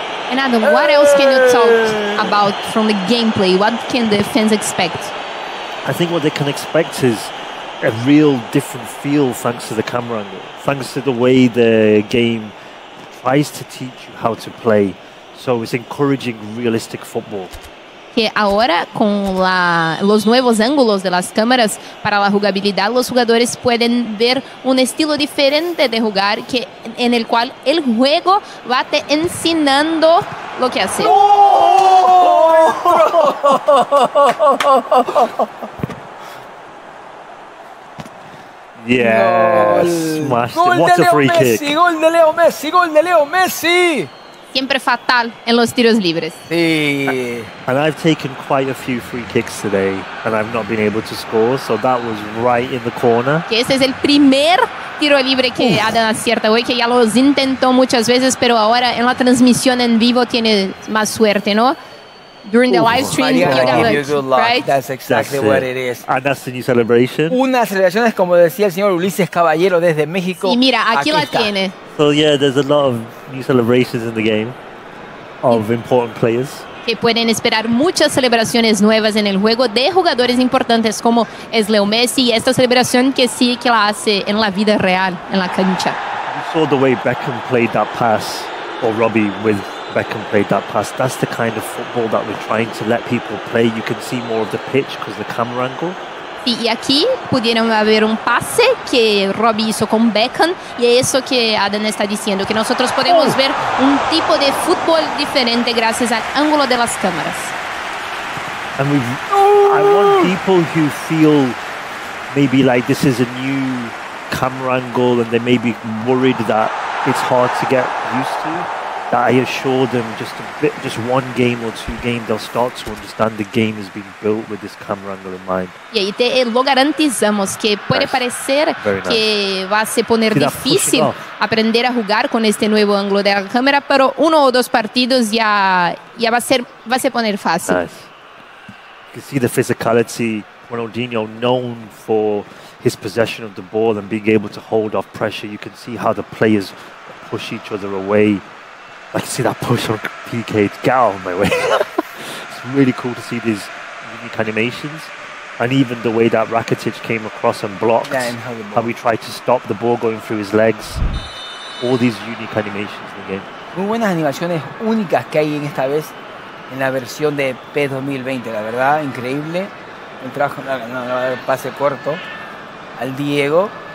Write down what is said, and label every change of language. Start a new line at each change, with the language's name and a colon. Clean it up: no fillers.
English: And Adam, what else can you talk about from the gameplay? What can the fans expect? I think what they can expect is a real different feel thanks to the camera angle, thanks to the way the game tries to teach you how to play. So it's encouraging realistic football.
Spanish: Que ahora con los nuevos ángulos de las cámaras para la jugabilidad, los jugadores pueden ver un estilo diferente de jugar que, en el cual el juego va te enseñando lo que hacer. ¡No!
English: Yes, smashed it. What a free kick.
Spanish: Gol de Leo Messi, gol de Leo Messi. Siempre fatal en los tiros libres. Sí.
English: And I've taken quite a few free kicks today and I've not been able to score, so that was right in the corner.
Spanish: Que ese es el primer tiro libre que Adam acierta hoy, que ya los intentó muchas veces, pero ahora en la transmisión en vivo tiene más suerte, ¿no?
English: During the live stream, Maria, you got give you good luck. Right? That's exactly that's what it is. And that's the new celebration.
Spanish: Una celebración es como decía el señor Ulises Caballero desde México. Y mira, aquí la tiene.
English: So yeah, there's a lot of new celebrations in the game of important players.
Spanish: Que pueden esperar muchas celebraciones nuevas en el juego de jugadores importantes como es Leo Messi, esta celebración que sí que la hace en la vida real, en la cancha.
English: You saw the way Beckham played that pass, or Robbie with Beckham played that pass. That's the kind of football that we're trying to let people play. You can see more of the pitch because the camera angle.
Spanish: Sí, y aquí pudieron haber un pase que Robbie hizo con Beckham y es eso que Adam está diciendo, que nosotros podemos ver un tipo de fútbol diferente gracias al ángulo de las cámaras.
English: And I want people who feel maybe like this is a new camera angle and they may be worried that it's hard to get used to, that I assure them just a bit, just one game or two games, they'll start to understand the game is being built with this camera angle in mind.
Spanish: Yeah, y te lo garantizamos que puede parecer que va a se poner difícil aprender a jugar con este nuevo ángulo de la cámara, pero uno o dos partidos ya va a se poner fácil.
English: Nice. You can see the physicality. Ronaldinho, known for his possession of the ball and being able to hold off pressure, you can see how the players push each other away. I can see that push on PK, get out of my way. It's really cool to see these unique animations. And even the way that Rakitic came across and blocked. Yeah, and how the ball. How we tried to stop the ball going through his legs. All these unique animations in the game.
Spanish: Muy buenas animaciones únicas que hay en esta vez en la versión de PES 2020. La verdad, increíble. El trabajo, el pase corto al Diego.